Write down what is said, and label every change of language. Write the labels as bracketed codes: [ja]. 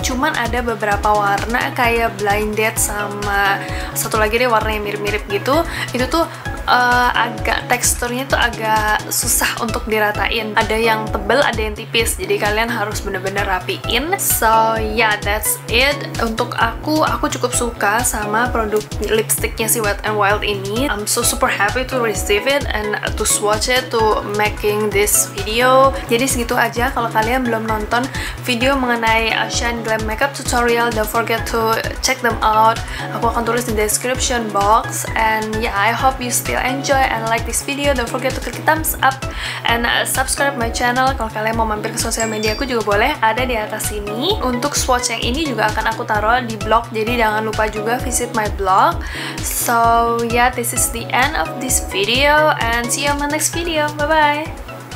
[id] Cuman ada beberapa warna kayak blinded sama satu lagi deh warna yang mirip-mirip gitu, itu tuh agak teksturnya tuh agak susah untuk diratain. Ada yang tebel, ada yang tipis. Jadi kalian harus bener-bener rapiin. [en] So yeah, that's it. [id] Untuk aku cukup suka sama produk lipsticknya si Wet n Wild ini. [en] I'm so super happy to receive it and to swatch it, to making this video. [id] Jadi segitu aja. Kalau kalian belum nonton video mengenai Shine Glam Makeup Tutorial, [en] don't forget to check them out. [id] Aku akan tulis di description box. [en] And yeah, I hope you still enjoy and like this video. Don't forget to click thumbs up and subscribe my channel. [id] Kalau kalian mau mampir ke sosial media aku juga boleh, ada di atas sini. Untuk swatch yang ini juga akan aku taruh di blog, jadi jangan lupa juga [en] visit my blog. So yeah, this is the end of this video and see you on my next video. Bye bye.